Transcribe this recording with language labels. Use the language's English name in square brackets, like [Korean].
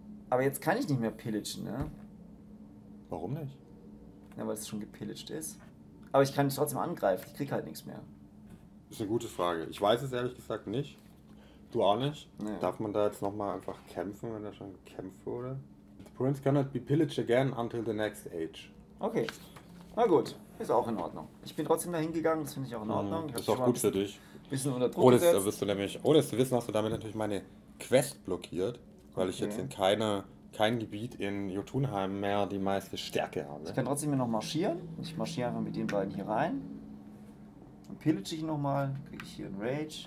[German] Aber jetzt kann ich nicht mehr pillagen, ne? Warum nicht? Ja, weil es schon gepillaged ist. Aber ich kann dich trotzdem angreifen. Ich krieg halt nichts mehr. Ist eine gute Frage. Ich weiß es ehrlich gesagt nicht. Du auch nicht. Nee. Darf man da jetzt nochmal einfach kämpfen, wenn da schon gekämpft wurde? [English] The prince cannot be pillaged again until the next age. [German] Okay. Na gut. Ist auch in Ordnung. Ich bin trotzdem dahin gegangen, das finde ich auch in Ordnung. Das ist auch gut für dich. Ein bisschen unter Druck gesetzt. Ohne wirst du nämlich, ohne zu wissen, hast du damit natürlich meine Quest blockiert, weil ich jetzt in kein Gebiet in Jotunheim mehr die meiste Stärke habe. Ich kann trotzdem hier noch marschieren. Ich marschiere einfach mit den beiden hier rein. Dann pillage ich nochmal, kriege ich hier einen Rage.